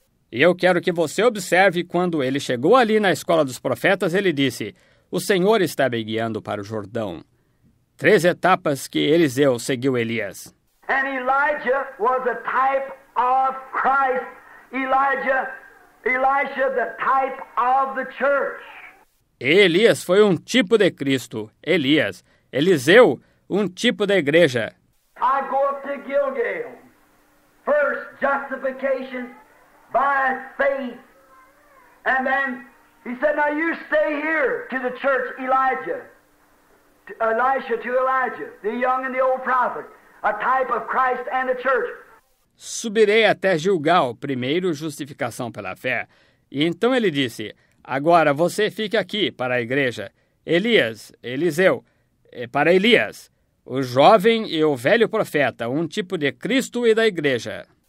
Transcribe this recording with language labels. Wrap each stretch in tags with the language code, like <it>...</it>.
<pt>E eu quero que você observe quando ele chegou ali na escola dos profetas, ele disse, o Senhor está me guiando para o Jordão. Três etapas que Eliseu seguiu Elias.</pt> <en>E Elijah was a type of Christ. Elisha, the type of the church.</en> <pt>Elias foi um tipo de Cristo. Elias, Eliseu, um tipo da igreja.</pt> <en>I go up to Gilgal. First, justification by faith. And then, he said, now you stay here to the church, Elijah. Elisha to Elijah, the young and the old prophet, a type of Christ and the church.</en> <pt>Subirei até Gilgal, primeiro justificação pela fé. E então ele disse, Agora, você fica aqui, para a igreja. Elias, Eliseu, para Elias, o jovem e o velho profeta, um tipo de Cristo e da igreja.</pt>